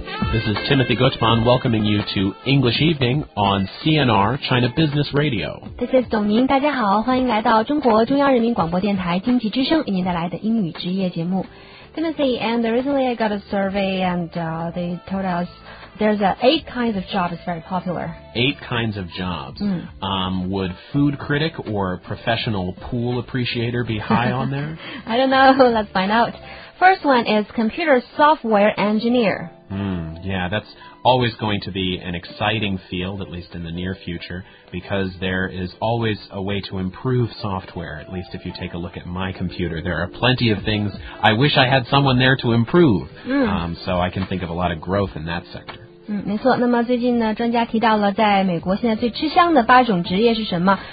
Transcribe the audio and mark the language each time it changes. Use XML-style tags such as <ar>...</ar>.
<en>This is Timothy Guzman welcoming you to English Evening on CNR China Business Radio.</en> <zh>This is 董宁，大家好，欢迎来到中国中央人民广播电台经济之声为您带来的英语职业节目。</zh> <en>Timothy, and recently I got a survey and they told us there's eight kinds of jobs very popular. Eight kinds of jobs. Would food critic or professional pool appreciator be high on there? I don't know. Let's find out. First one is computer software engineer. Yeah, that's always going to be an exciting field, at least in the near future, because there is always a way to improve software, at least if you take a look at my computer. There are plenty of things I wish I had someone there to improve, so I can think of a lot of growth in that sector.</en> <zh>没错，那么最近呢，专家提到了在美国现在最吃香的八种职业是什么？</zh>